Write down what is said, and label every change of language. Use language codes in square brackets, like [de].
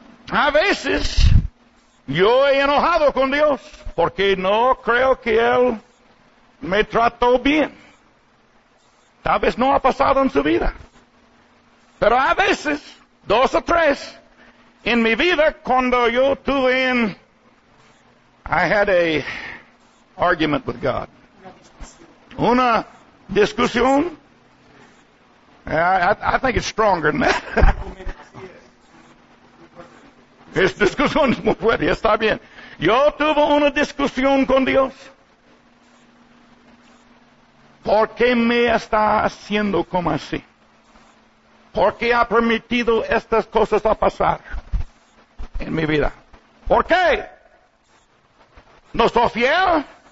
[es] A veces yo he enojado con Dios porque no creo que Él me trató bien. Tal vez no ha pasado en su vida. Pero a veces, dos o tres, en mi vida, cuando yo tuve en... [en] I had a argument with God. [es] Una discusión. [en] I think it's stronger than that. [es] Es discusión muy fuerte, está bien. Yo tuve una discusión con Dios. ¿Por qué me está haciendo como así? ¿Por qué ha permitido estas cosas a pasar en mi vida? ¿Por qué? ¿No soy fiel?